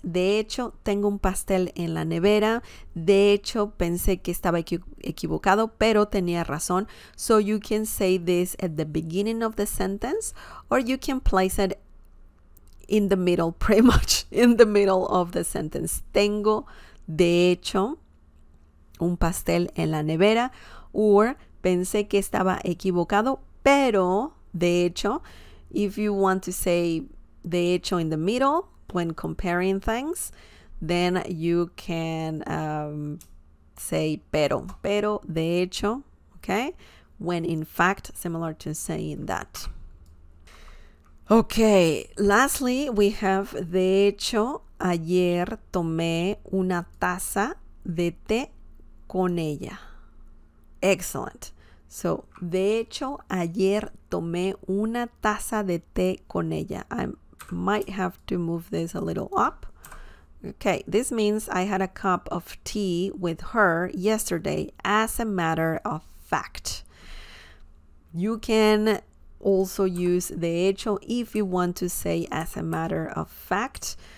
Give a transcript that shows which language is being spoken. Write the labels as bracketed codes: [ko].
[es] De hecho, tengo un pastel en la nevera. De hecho, pensé que estaba equivocado, pero tenía razón. [en] So you can say this at the beginning of the sentence, or you can place it in the middle, pretty much in the middle of the sentence. [es] Tengo, de hecho, un pastel en la nevera. [en] Or [es] pensé que estaba equivocado, pero, de hecho, [en] if you want to say de hecho in the middle when comparing things, then you can say pero, de hecho, okay? When in fact, similar to saying that. Okay, lastly, we have [es] de hecho, ayer tomé una taza de té con ella. [en] Excellent. [es] So, de hecho, ayer tomé una taza de té con ella. [en] I might have to move this a little up. Okay, this means I had a cup of tea with her yesterday as a matter of fact. You can also use de hecho if you want to say as a matter of fact.